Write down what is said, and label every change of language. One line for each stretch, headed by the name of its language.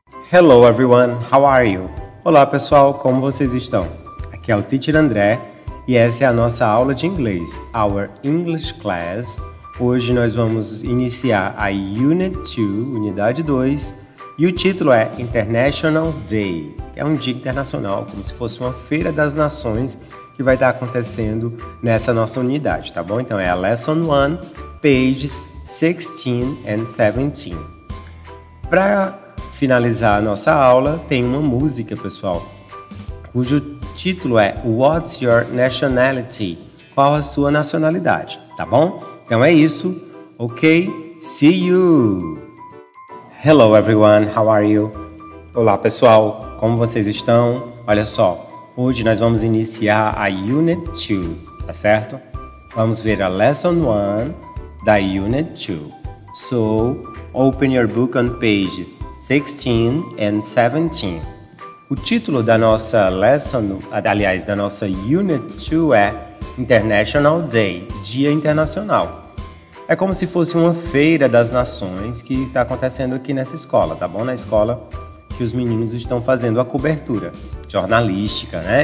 English: Hello everyone, how are you?
Portuguese: Olá pessoal, como vocês estão? Aqui é o Teacher André e essa é a nossa aula de inglês,
English: our English class.
Portuguese: Hoje nós vamos iniciar a Unit 2, Unidade 2, e o título é International Day, que é um dia internacional, como se fosse uma Feira das Nações que vai estar acontecendo nessa nossa unidade, tá bom? Então é a Lesson 1,
English: pages 16 and 17.
Portuguese: Para finalizar a nossa aula, tem uma música, pessoal, cujo título é
English: What's Your Nationality?
Portuguese: Qual a sua nacionalidade, tá bom? Então é isso, ok?
English: See you! Hello everyone, how are you?
Portuguese: Olá pessoal, como vocês estão? Olha só, hoje nós vamos iniciar a Unit 2, tá certo? Vamos ver a Lesson 1 da Unit 2.
English: So, open your book on pages 16 and 17.
Portuguese: O título da nossa lesson, aliás, da nossa Unit 2 é International Day, Dia Internacional. É como se fosse uma feira das nações que está acontecendo aqui nessa escola, tá bom? Na escola que os meninos estão fazendo a cobertura jornalística, né?